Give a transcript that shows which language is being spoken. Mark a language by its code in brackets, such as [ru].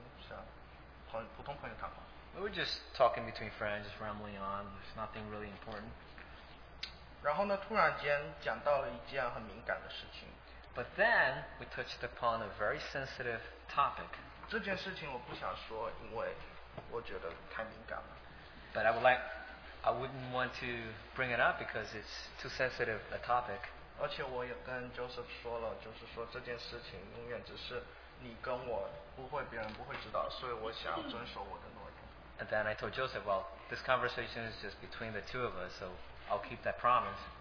[zh] 一开始呢，我还是就讲其他的事情，就是也没有把什么事情放在心上，我们就怎么想，普通朋友谈话。 [en] We were just talking between friends, just rambling on. It's nothing really important. [zh] 然后呢，突然间讲到了一件很敏感的事情。 [en] But then we touched upon a very sensitive topic. [zh] 这件事情我不想说，因为我觉得太敏感了。 [en] But I wouldn't want to bring it up because it's too sensitive a topic. [zh] 而且我也跟 Joseph 说了，就是说这件事情永远只是你跟我，不会别人不会知道，所以我想遵守我的诺言。 [en] And then I told Joseph, well, this conversation is just between the two of us, so I'll keep that promise.